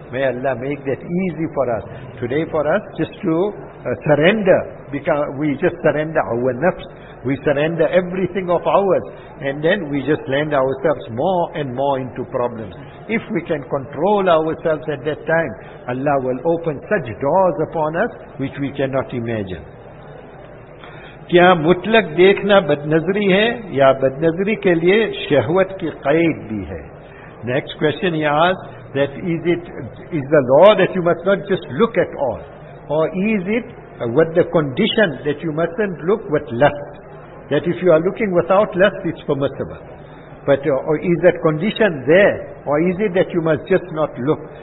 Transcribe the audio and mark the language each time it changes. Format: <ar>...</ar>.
<en>May Allah make that easy for us. Today for us, just to surrender, because we just surrender our nafs, we surrender everything of ours, and then we just land ourselves more and more into problems. If we can control ourselves at that time, Allah will open such doors upon us which we cannot imagine.</en> <ur>کیا مطلق دیکھنا بدنظری ہے یا بدنظری کے لیے شہوت کی قید بھی ہے.</ur> <en>Next question he asked, that is the law that you must not just look at all, or is it what the condition that you mustn't look with lust, that if you are looking without lust it's permissible, but or is that condition there, or is it that you must just not look?</en>